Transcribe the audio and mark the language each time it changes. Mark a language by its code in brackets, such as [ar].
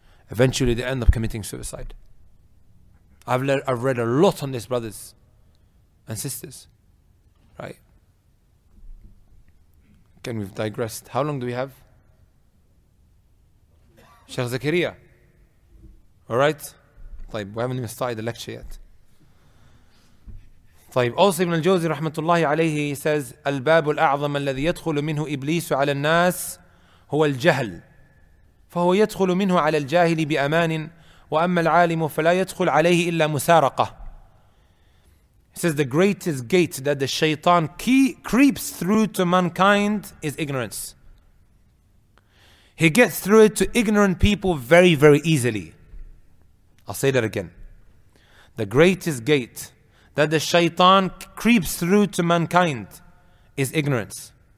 [en] Eventually they end up committing suicide. I've read a lot on this, brothers and sisters. Right? Again, we've digressed. How long do we have? Sheikh Zakaria. Alright? [ar] طيب, [en] we haven't even started the lecture yet. [ar] طيب, [en] also [ar] Ibn al-Jawzi rahmatullahi alayhi, [en] he says, [ar] الباب الأعظم الذي يدخل منه إبليس على الناس هو الجهل فهو يدخل منه على الجاهل بأمان وأما العالم فلا يدخل عليه إلا مسارقة. [en] He says, the greatest gate that the shaitan creeps through to mankind is ignorance. He gets through it to ignorant people very, very easily. I'll say that again. The greatest gate that the shaitan creeps through to mankind is ignorance.